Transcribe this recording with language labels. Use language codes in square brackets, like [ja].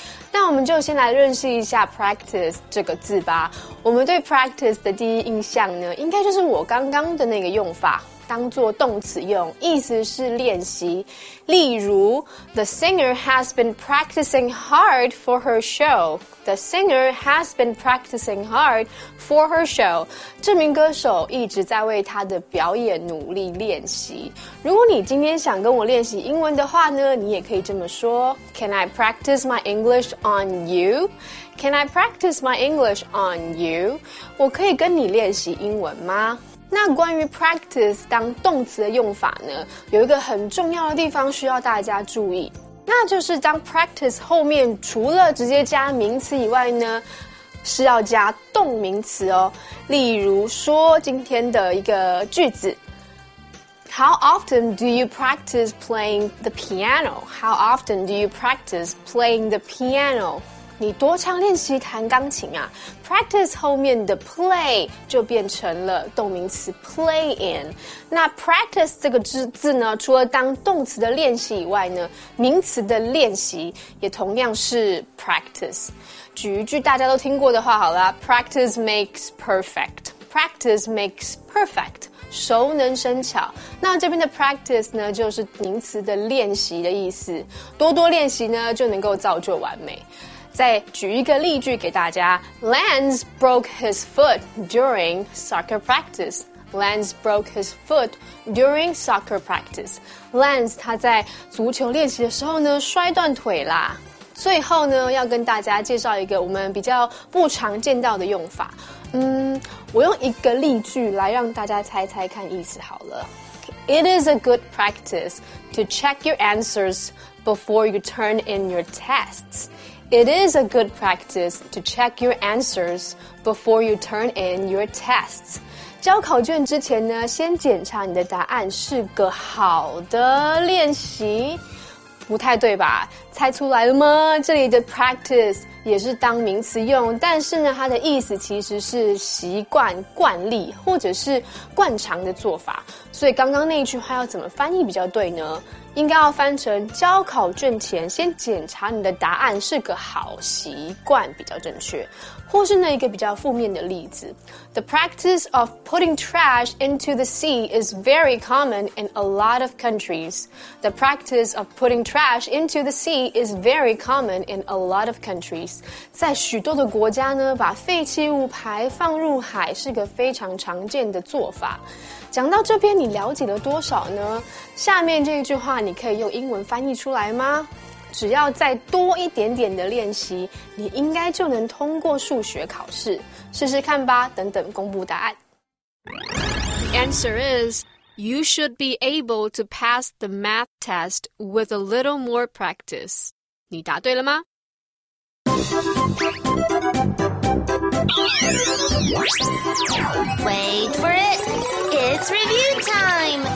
[zh] 那我们就先来认识一下 practice 这个字吧。我们对 practice 的第一印象呢应该就是我刚刚的那个用法。当作动词用意思是练习例如 The singer has been practicing hard for her show The singer has been practicing hard for her show 这名歌手一直在为他的表演努力练习如果你今天想跟我练习英文的话呢你也可以这么说 Can I practice my English on you? [en] Can I practice my English on you? [zh] 我可以跟你练习英文吗那关于 practice 当动词的用法呢有一个很重要的地方需要大家注意那就是当 practice 后面除了直接加名词以外呢是要加动名词哦例如说今天的一个句子 How often do you practice playing the piano? [en] How often do you practice playing the piano? [zh] 你多常练习弹钢琴啊 ?practice 后面的 play 就变成了动名词 play in。那 practice 这个字呢除了当动词的练习以外呢名词的练习也同样是 practice。举一句大家都听过的话好啦 , practice makes perfect。 [en] practice makes perfect。 [zh] 熟能生巧那这边的 practice 呢就是名词的练习的意思。多多练习呢就能够造就完美。再举一个例句给大家 Lance broke his foot during soccer practice Lance broke his foot during soccer practice Lance 他在足球练习的时候呢摔断腿啦最后呢要跟大家介绍一个我们比较不常见到的用法 [en] 我用一个例句来让大家猜猜看意思好了 It is a good practice to check your answers before you turn in your testsIt is a good practice to check your answers before you turn in your tests. [zh] 交考卷之前呢，先检查你的答案是个好的练习。不太对吧？猜出来了吗？这里的 practice 也是当名词用，但是呢，它的意思其实是习惯、惯例或者是惯常的做法。所以刚刚那一句话要怎么翻译比较对呢？应该要翻成交考卷前先检查你的答案是个好习惯比较正确或是那一个比较负面的例子 The practice of putting trash into the sea is very common in a lot of countries The practice of putting trash into the sea is very common in a lot of countries 在许多的国家呢把废弃物排放入海是个非常常见的做法讲到这边你了解了多少呢下面这一句话你可以用英文翻译出来吗只要再多一点点的练习你应该就能通过数学考试试试看吧等等公布答案 [en] The answer is You should be able to pass the math test with a little more practice 你答对了吗 Wait for it! It's review time!